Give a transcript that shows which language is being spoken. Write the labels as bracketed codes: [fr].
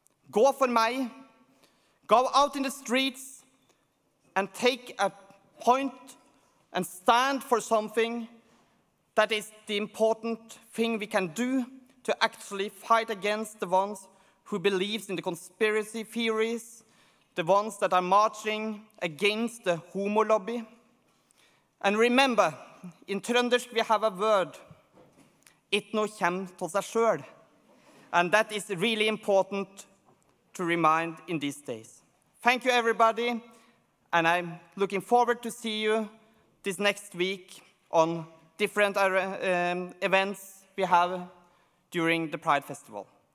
[en] Go for meg, go out in the streets, and take a point and stand for something that is the important thing we can do to actually fight against the ones who believe in the conspiracy theories, the ones that are marching against the homo lobby. And remember, in Trøndersk we have a word, [no] ikke noe kommer til seg selv. [en] And that is really important to remind in these days. Thank you everybody. And I'm looking forward to see you this next week on different events we have during the Pride Festival.